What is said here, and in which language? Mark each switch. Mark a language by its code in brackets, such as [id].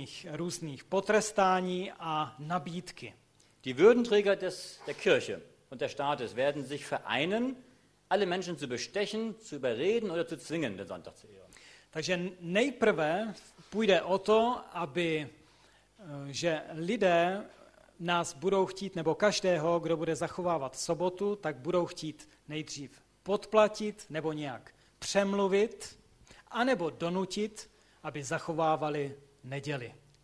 [cs] Různých potrestání a nabídky. [de] Die Würdenträger der Kirche und der Staates werden sich vereinen, alle Menschen zu bestechen, zu überreden oder zu zwingen, den Sonntag zu ehren. [cs] Takže nejprve půjde o to, aby že lidé nás budou chtít, nebo každého, kdo bude zachovávat sobotu, tak budou chtít nejdřív podplatit nebo nějak přemluvit, anebo donutit, aby zachovávali neděli.